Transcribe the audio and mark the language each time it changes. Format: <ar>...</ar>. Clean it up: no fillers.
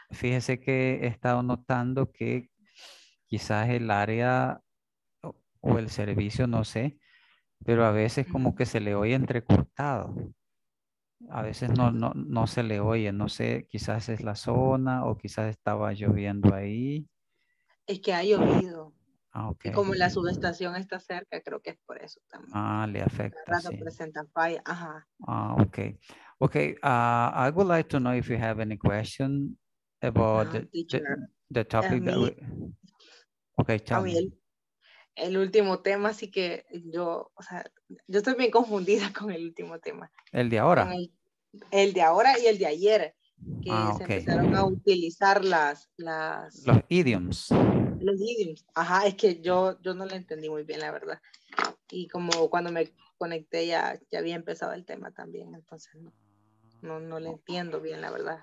<es>Fíjese que he estado notando que quizás el área o el servicio, no sé, pero a veces como que se le oye entrecortado. A veces no se le oye, no sé, quizás es la zona o quizás estaba lloviendo ahí. Es que ha llovido. Ah, ok. Y como la subestación está cerca, creo que es por eso también. Ah, le afecta, sí. Presenta falla. Ajá. Ah, ok.</es> <en>Ok, I would like to know if you have any question about the topic that we... Ok, tell me.</en> <es>El último tema, así que yo, o sea, yo estoy bien confundida con el último tema. ¿El de ahora? El de ahora y el de ayer, que empezaron a utilizar las... Los idioms. Los idioms. Ajá, es que yo no lo entendí muy bien, la verdad. Y como cuando me conecté ya había empezado el tema también, entonces no lo entiendo bien, la verdad.</es>